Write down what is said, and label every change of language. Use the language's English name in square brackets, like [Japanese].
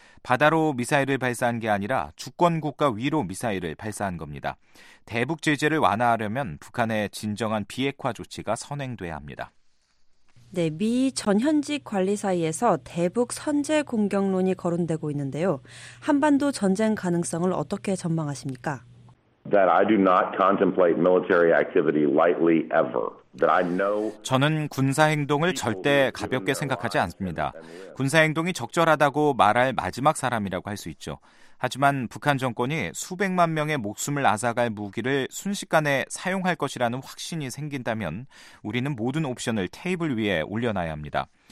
[Korean] 바다로 미사일을 발사한 게 아니라 주권 국가 위로 미사일을 발사한 겁니다. 대북 제재를 완화하려면 북한의 진정한 비핵화 조치가 선행돼야 합니다. 네, 미 전현직 관리 사이에서 대북 선제 공격론이 거론되고 있는데요. 한반도 전쟁 가능성을 어떻게 전망하십니까? [English] That I do not contemplate military activity lightly ever. [Korean] 저는 군사 행동을 절대 가볍게 생각하지 않습니다. 군사 행동이 적절하다고 말할 마지막 사람이라고 할 수 있죠. 하지만 북한 정권이 수백만 명의 목숨을 앗아갈 무기를 순식간에 사용할 것이라는 확신이 생긴다면 우리는 모든 옵션을 테이블 위에 올려놔야 합니다.